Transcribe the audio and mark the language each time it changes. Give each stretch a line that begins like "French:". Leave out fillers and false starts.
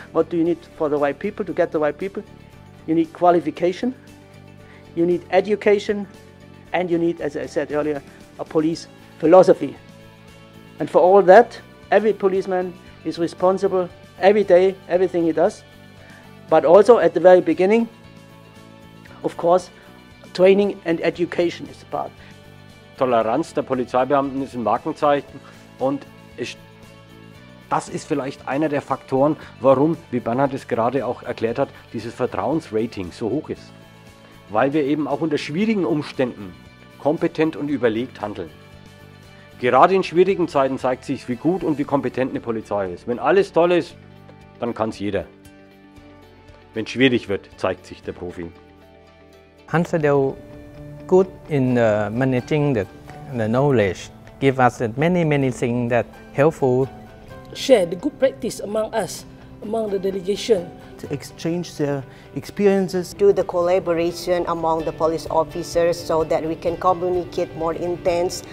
English: What do you need for the right people to get the right people? You need qualification, you need education, and you need, as I said earlier, a police philosophy. And for all that, every policeman is responsible every day, everything he does. But also at the very beginning, of course, training and education is the part.
German: Toleranz der Polizeibeamten ist ein Markenzeichen, und das ist vielleicht einer der Faktoren, warum, wie Bernhard es gerade auch erklärt hat, dieses Vertrauensrating so hoch ist. Weil wir eben auch unter schwierigen Umständen kompetent und überlegt handeln. Gerade in schwierigen Zeiten zeigt sich, wie gut und wie kompetent eine Polizei ist. Wenn alles toll ist, dann kann es jeder. Wenn es schwierig wird, zeigt sich der Profi.
English: Hans Adel, good in managing the knowledge, give us many, many things that helpful. Share the good practice among us, among the delegation. To exchange their experiences. Do the collaboration among the police officers so that we can communicate more intense.